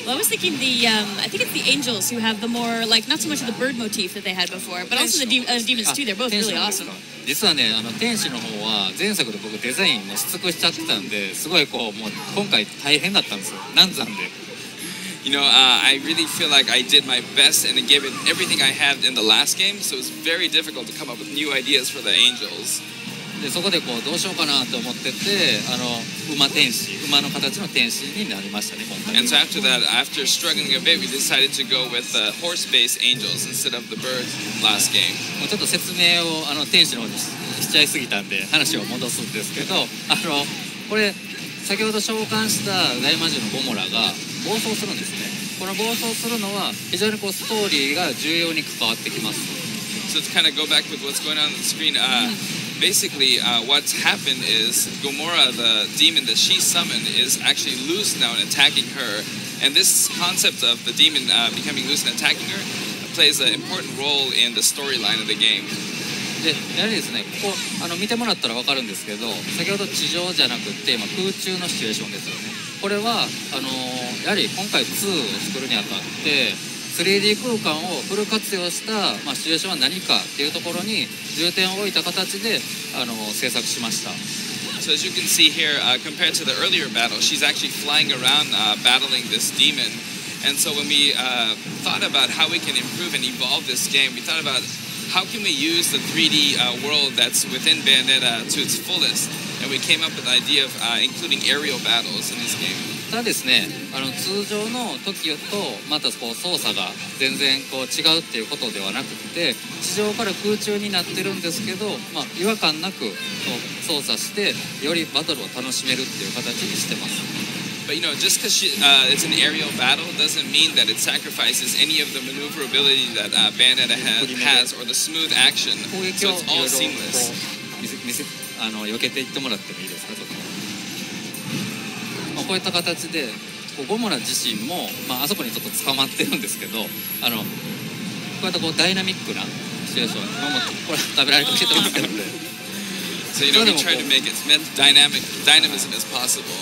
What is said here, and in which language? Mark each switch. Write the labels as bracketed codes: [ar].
[en] Well, I was thinking I think it's the angels who have the more, like, not so much of the bird motif that they had before, but also the demons too. They're both really awesome. [ja] 実はね、天使の方は前作で僕デザインもしつくしちゃってたんで、すごいこう、もう今回大変だったんですよ。難産で。 [en] You know, I really feel like I did my best and gave it everything I had in the last game, so it's very difficult to come up with new ideas for the angels. [ja] でそこでこうどうしようかなと思ってて、馬天使、馬の形の天使になりましたね、今回。 [en] And so after that, after struggling a bit, we decided to go with the horse-based angels instead of the birds last game. [ja] もうちょっと説明を天使の方にしちゃいすぎたんで、話を戻すんですけど、これ、先ほど召喚した大魔獣のゴモラが暴走するんですね。この暴走するのは、非常にこうストーリーが重要に関わってきます。 [en] So to kind of go back with what's going on the screen, Basically, what's happened is Gomora, the demon that she summoned, is actually loose now and attacking her. And this concept of the demon becoming loose and attacking her plays an important role in the storyline of the game. [ja] で、やはりですね、ここ見てもらったら分かるんですけど、先ほど地上じゃなくて今空中のシチュエーションですよね。これはやはり今回2を作るにあたって、3D 空間をフル活用した、まあ、シチュエーションは何かっていうところに重点を置いた形で制作しました。 [en] So as you can see here, compared to the earlier battle, she's actually flying around, battling this demon. And so when we, thought about how we can improve and evolve this game, we thought about how can we use the 3D, world that's within Bayonetta to its fullest. And we came up with the idea of, including aerial battles in this game. [ja] ただですね、通常の Tokyo とまたこう操作が全然こう違うっていうことではなくて、地上から空中になってるんですけど、まあ、違和感なく操作してよりバトルを楽しめるっていう形にしてます。 [en] But you know, just because it's an aerial battle doesn't mean that it sacrifices any of the maneuverability that Bayonetta has or the smooth action. So it's all seamless. [ja] 攻撃を避けていってもらってもいいですか。こういった形でゴモラ自身も、まあ、あそこにちょっと捕まってるんですけど、こういったこうダイナミックなシチュエーション、これ食べられるかもしれないですけど、ね。 [en] So, you know, we try to make it as much dynamic, dynamism as possible.